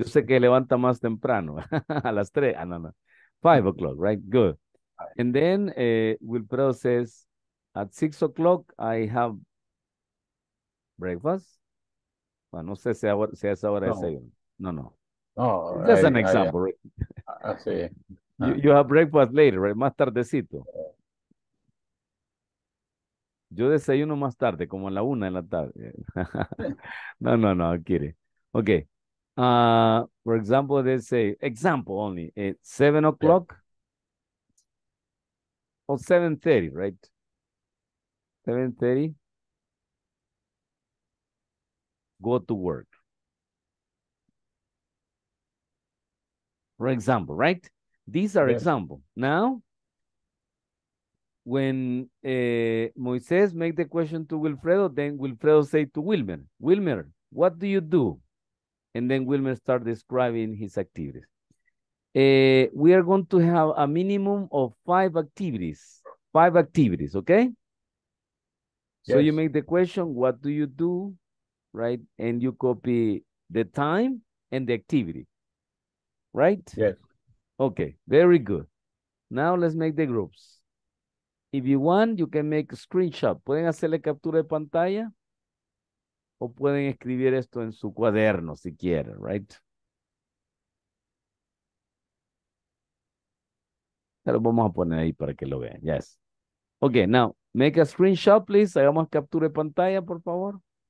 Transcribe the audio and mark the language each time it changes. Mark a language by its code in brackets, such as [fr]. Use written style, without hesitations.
[es] Yo sé que levanta más temprano, a las 3, ah, no, [en] 5 o'clock, right? Good. And then Wilfredo says, at 6 o'clock, I have breakfast. [es] Bueno, no sé si a esa hora es ahí. [en] No. Just an example, right? [es] Sí. [en] You have breakfast later, right? [es] Más tardecito. Yo desayuno más tarde, como a la 1 de la tarde. No, quiere. Okay. [en] For example, they say, example only, it's 7 o'clock, yeah. Or 7:30, right? 7:30, go to work. For example, right? These are examples. Now, when Moisés make the question to Wilfredo, then Wilfredo say to Wilmer, Wilmer, what do you do? And then Wilmer start describing his activities. We are going to have a minimum of 5 activities. 5 activities, okay? Yes. So you make the question, what do you do, right? And you copy the time and the activity, right? Yes. Okay, very good. Now let's make the groups. If you want, you can make a screenshot. [es] Pueden hacerle captura de pantalla. O pueden escribir esto en su cuaderno si quieren, right? Pero vamos a poner ahí para que lo vean, yes. [en] Okay, now make a screenshot, please. [es] Hagamos captura de pantalla, por favor.